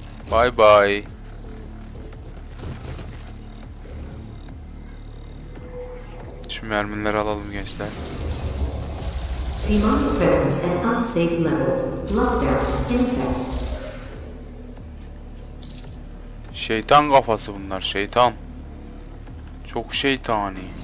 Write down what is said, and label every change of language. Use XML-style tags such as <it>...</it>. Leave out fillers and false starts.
<en>Bye bye.</en> <tr>Şu mermileri alalım gençler.</tr> <en>Demon presence at unsafe levels. Lockdown in effect.</en> <tr>Şeytan kafası bunlar, şeytan. Çok şeytani.</tr>